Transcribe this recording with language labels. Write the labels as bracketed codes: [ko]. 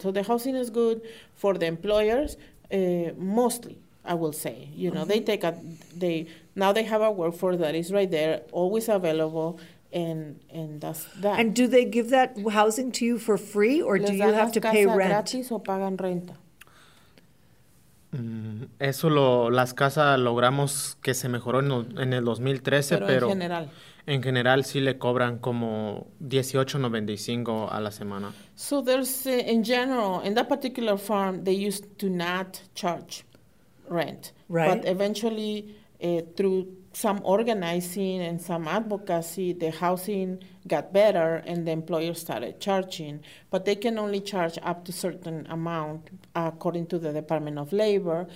[en] So the housing is good for the employers, mostly. I will say, mm-hmm. they have a workforce that is right there, always available, and that's that. And do they give that housing to you for free, or do you have to pay rent? [es] Les dan las casas gratis o pagan renta. Eso lo las casas logramos que se mejoró en el 2013, pero en general. En general sí le cobran como $18.95 a la semana. [en] So there's in general, in that particular farm, they used to not charge rent. Right. But eventually, through some organizing and some advocacy, the housing got better and the employer started charging. But they can only charge up to certain amount according to the Department of Labor.